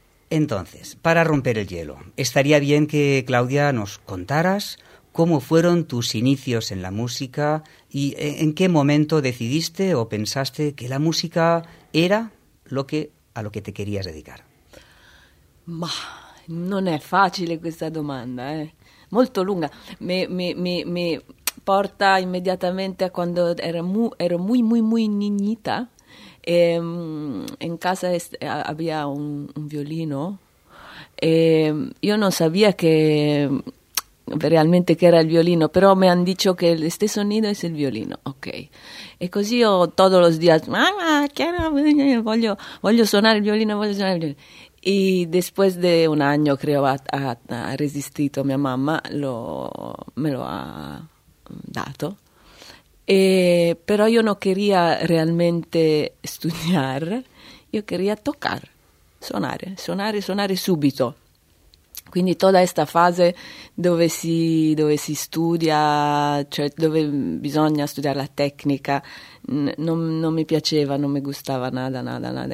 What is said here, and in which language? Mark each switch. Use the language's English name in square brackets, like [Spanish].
[Spanish] Entonces, para romper el hielo, estaría bien que, Claudia, nos contaras cómo fueron tus inicios en la música y en qué momento decidiste o pensaste que la música era a lo que te querías dedicar. [Italian] Ma, non è facile questa domanda, eh? Molto lunga. Mi porta immediatamente a quando ero [Spanish] muy, muy, muy niñita. En casa había un violino. Yo no sabía que realmente que era el violino, pero me han dicho que este sonido es el violino. Okay. Y así yo todos los días, mamá, quiero sonar el violino. Y después de un año creo ha resistido mi mamá, me lo ha dado. [Italian] Però io non queria realmente studiare, io queria toccare, suonare subito. Quindi tutta questa fase dove si studia, cioè dove bisogna studiare la tecnica, non mi piaceva, non mi gustava nada.